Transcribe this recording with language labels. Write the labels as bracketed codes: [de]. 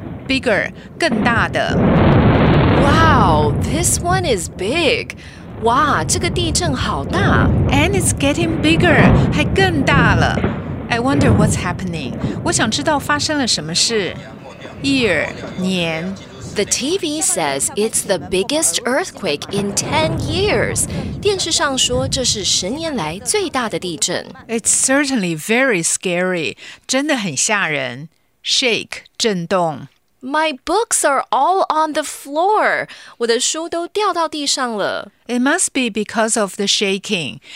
[en] Bigger, [zh] 更大的。 [en] Wow, this one is big. [zh] 哇，这个地震好大。 [en] And it's getting bigger, [zh] 还更大了。 [en] I wonder what's happening. [zh] 我想知道发生了什么事。 [en] Year, [zh] 年。 [en] The TV says it's the biggest earthquake in 10 years. [zh] 电视上说这是十年来最大的地震。 [en] It's certainly very scary. [zh] 真的很吓人。 [en] Shake, [zh] 震动。 [en] My books are all on the floor. [zh] 我的书都掉到地上了。 [en] It must be because of the shaking.